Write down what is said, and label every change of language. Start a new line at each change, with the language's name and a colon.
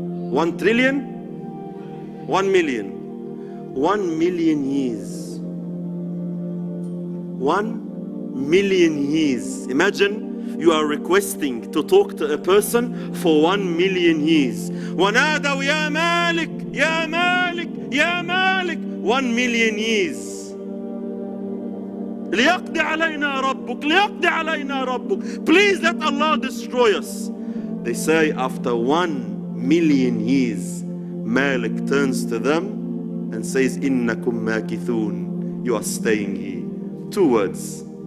English: 1 trillion. 1 million. 1 million years. 1 million years. Imagine you are requesting to talk to a person for 1 million years.
Arabic: وَنَادَوْ يَا مَالِكْ يَا مَالِكْ يَا مَالِكْ
English: 1 million years.
Arabic: لِيَقْدِ عَلَيْنَا رَبُّكْ لِيَقْدِ عَلَيْنَا رَبُّكْ.
English: Please let Allah destroy us. They say after 1 million years, Malik turns to them and says,
Arabic: إِنَّكُمْ مَاكِثُونَ.
English: You are staying here. Two words.